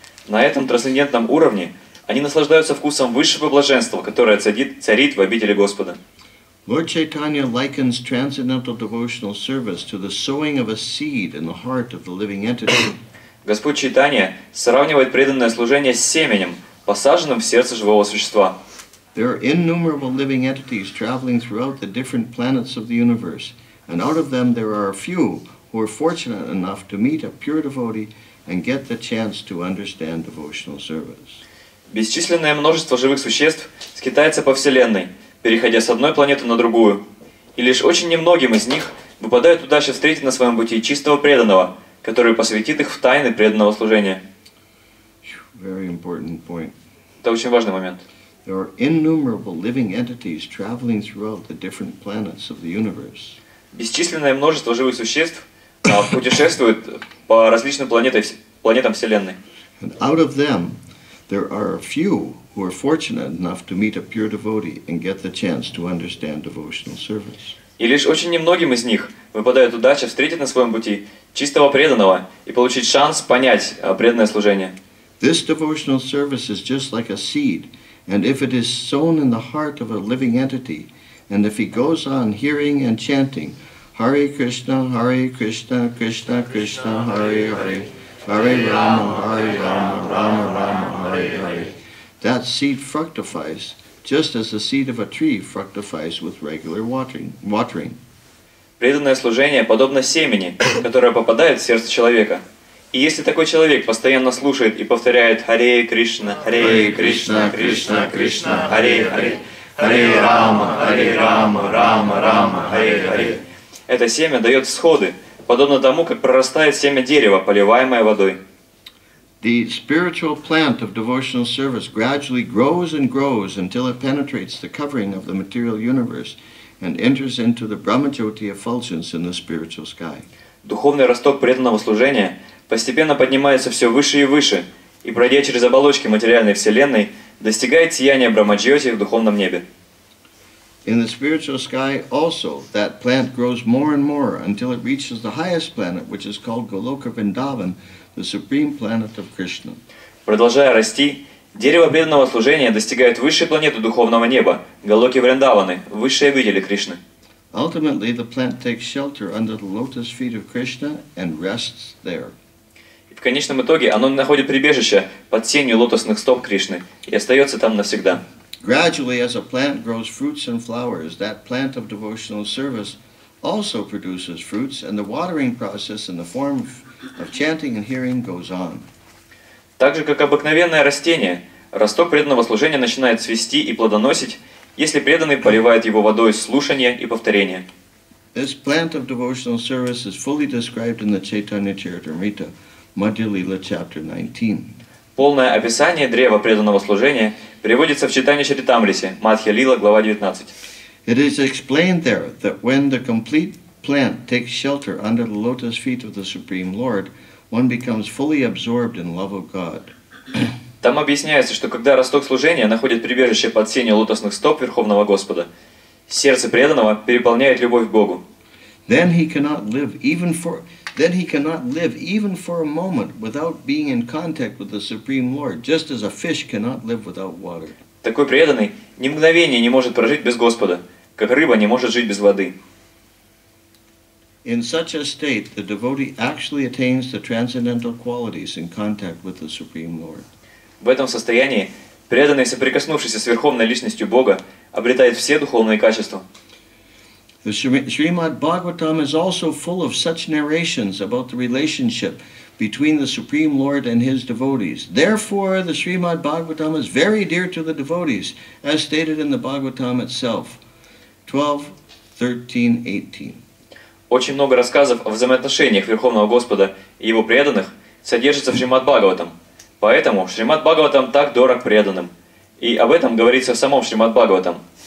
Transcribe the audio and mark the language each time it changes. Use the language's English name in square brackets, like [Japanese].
[Russian] На этом трансцендентном уровне они наслаждаются вкусом высшего блаженства, которое царит в обители Господа. [English] Lord Chaitanya likens transcendental devotional service to the sowing of a seed in the heart of the living entity. [Russian] Господь Чайтанья сравнивает преданное служение с семенем, посаженным в сердце живого существа. [English] There are innumerable living entities traveling throughout the different planets of the universe, and out of them there are a few who are fortunate enough to meet a pure devotee and get the chance to understand devotional service. [Russian] Бесчисленное множество живых существ скитается по Вселенной, переходя с одной планеты на другую, и лишь очень немногим из них выпадает удача встретить на своем пути чистого преданного, который посвятит их в тайны преданного служения. [English] Very important point. [Russian] Это очень важный момент. [English] There are innumerable living entities traveling throughout the different planets of the universe. [Russian] Бесчисленное множество живых существ путешествует по различным планетам Вселенной. [English] And out of them, there are a few who are fortunate enough to meet a pure devotee and get the chance to understand devotional service. [Russian] И лишь очень немногим из них выпадает удача встретить на своем пути чистого преданного и получить шанс понять преданное служение. [English] This devotional service is just like a seed. And if it is sown in the heart of a living entity, and if he goes on hearing and chanting, Hare Krishna, Krishna Krishna, Hare Hare, Hare Rama, Rama Rama, Hare Hare, that seed fructifies, just as the seed of a tree fructifies with regular watering. [Russian] Преданное служение подобно семени, которое попадает в сердце человека. И если такой человек постоянно слушает и повторяет Харе Кришна, Кришна, Кришна, Харе Харе, Харе Рама, Рама, Рама, Харе Харе, это семя дает всходы, подобно тому, как прорастает семя дерева, поливаемое водой. [English] The spiritual plant of devotional service gradually grows and grows until it penetrates the covering of the material universe and enters into the Brahmajyoti effulgence in the spiritual sky. [Russian] Духовный росток преданного служения постепенно поднимается все выше и выше, и, пройдя через оболочки материальной вселенной, достигает сияния Брахмаджьоти в духовном небе. [English] In the spiritual sky also, that plant grows more and more until it reaches the highest planet, which is called Goloka Vrindavan, the supreme planet of Krishna. [Russian] Продолжая расти, дерево преданного служения достигает высшей планеты духовного неба, Голоки Вриндаваны, высшей обители Кришны. [English] Ultimately, the plant takes shelter under the lotus feet of Krishna and rests there. [Russian] В конечном итоге оно находит прибежище под сенью лотосных стоп Кришны и остается там навсегда. [English] Gradually, as a plant grows fruits and flowers, that plant of devotional service also produces fruits, and the watering process in the form of chanting and hearing goes on. [Russian] Так же, как обыкновенное растение, росток преданного служения начинает цвести и плодоносить, если преданный поливает его водой слушания и повторения. [English] This plant of devotional service is fully described in the Chaitanya Charitamrita. Madhya Lila, chapter 19. [Russian] Полное описание древа преданного служения Приводится в читании Чаритамрите, Матхья Лила, глава 19. [English] It is explained there that when the complete plant takes shelter under the lotus feet of the Supreme Lord, one becomes fully absorbed in love of God. [Russian] Там объясняется, что когда росток служения находит прибежище под сенью лотосных стоп Верховного Господа, сердце преданного переполняет любовь к Богу. [English] Then he cannot live even for a moment without being in contact with the Supreme Lord, just as a fish cannot live without water. [Russian] Такой преданный ни мгновение не может прожить без Господа, как рыба не может жить без воды. [English] In such a state, the devotee actually attains the transcendental qualities in contact with the Supreme Lord. [Russian] В этом состоянии преданный, соприкоснувшийся с Верховной Личностью Бога, обретает все духовные качества. [English] The Srimad Bhagavatam is also full of such narrations about the relationship between the Supreme Lord and His devotees. Therefore, the Srimad Bhagavatam is very dear to the devotees, as stated in the Bhagavatam itself, 12.13.18. [Russian] Очень много рассказов о взаимоотношениях Верховного Господа и Его преданных содержится в Шримад Бхагаватам. Поэтому Шримад Бхагаватам так дорог преданным. И об этом говорится в самом Шримад Бхагаватам.